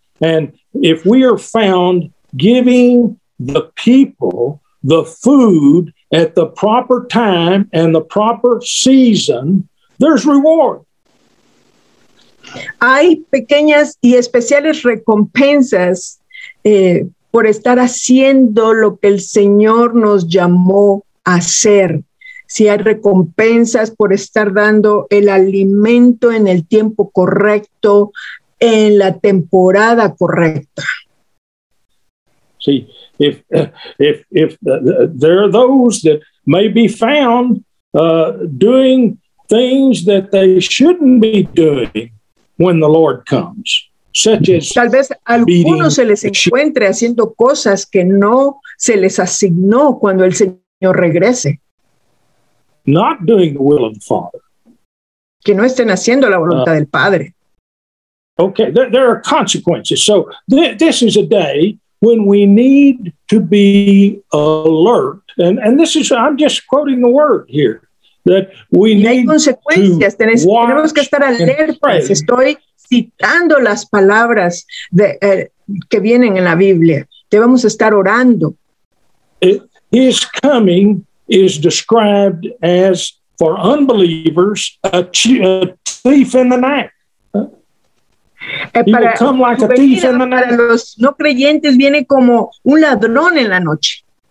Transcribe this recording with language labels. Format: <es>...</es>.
<en>And if we are found giving the people the food at the proper time and the proper season, there's reward.</en> <es>Hay pequeñas y especiales recompensas por estar haciendo lo que el Señor nos llamó a hacer. Si hay recompensas por estar dando el alimento en el tiempo correcto, en la temporada correcta.</es> <en>Sí, there are those that may be found doing things that they shouldn't be doing when the Lord comes, such as</en> <es>tal vez algunos se les encuentre haciendo cosas que no se les asignó cuando el Señor regrese.</es> <en>Not doing the will of the Father.</en> <es>Que no estén haciendo la voluntad del Padre.</es> <en>Okay, there are consequences. So this is a day when we need to be alert. And this is, I'm just quoting the word here, that we need to</en> <es>tenemos que estar alertas. Estoy citando las palabras que vienen en la Biblia. Debemos estar orando.</es> <en>His coming is described as, for unbelievers, a thief in the night. Para, come like a thief in the night.</en> <es>Para los no creyentes viene como un ladrón en la noche.</es>